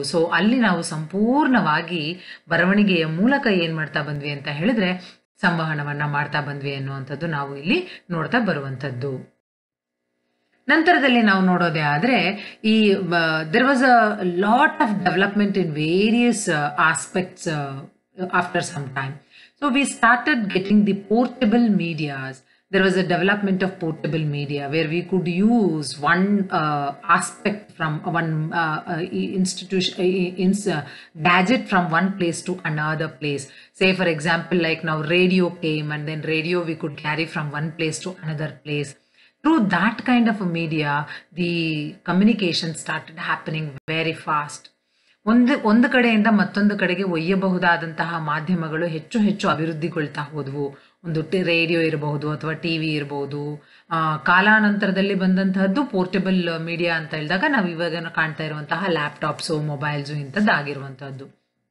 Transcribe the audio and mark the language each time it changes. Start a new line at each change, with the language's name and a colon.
Kannada: So ಅಲ್ಲಿ ನಾವು ಸಂಪೂರ್ಣವಾಗಿ ಬರವಣಿಗೆಯ ಮೂಲಕ ಏನು ಮಾಡ್ತಾ ಬಂದ್ವಿ ಅಂತ ಹೇಳಿದ್ರೆ ಸಂವಹನವನ್ನು ಮಾಡ್ತಾ ಬಂದ್ವಿ ಅನ್ನುವಂಥದ್ದು ನಾವು ಇಲ್ಲಿ ನೋಡ್ತಾ ಬರುವಂಥದ್ದು. ನಂತರದಲ್ಲಿ ನಾವು ನೋಡೋದೇ ಆದರೆ ಈ
English: There was a lot of development in various aspects after some time. So we started getting the portable medias. There was a development of portable media where we could use one aspect from one institution, gadget from one place to another place. Say for example, like now radio came, and then radio we could carry from one place to another place. Through that kind of a media, the communication started happening very fast.
Kannada: ಒಂದು ಕಡೆಯಿಂದ ಮತ್ತೊಂದು ಕಡೆಗೆ ಒಯ್ಯಬಹುದಾದಂತಹ ಮಾಧ್ಯಮಗಳು ಹೆಚ್ಚು ಹೆಚ್ಚು ಅಭಿವೃದ್ಧಿಗೊಳ್ತಾ ಹೋದವು. ಒಂದು radio ಇರಬಹುದು ಅಥವಾ ಟಿ ವಿ ಇರಬಹುದು. ಕಾಲಾನಂತರದಲ್ಲಿ ಬಂದಂತಹದ್ದು ಪೋರ್ಟೇಬಲ್ ಮೀಡಿಯಾ ಅಂತ ಹೇಳಿದಾಗ ನಾವು ಇವಾಗ ಕಾಣ್ತಾ ಇರುವಂತಹ ಲ್ಯಾಪ್ಟಾಪ್ಸು, ಮೊಬೈಲ್ಸು ಇಂಥದ್ದಾಗಿರುವಂಥದ್ದು.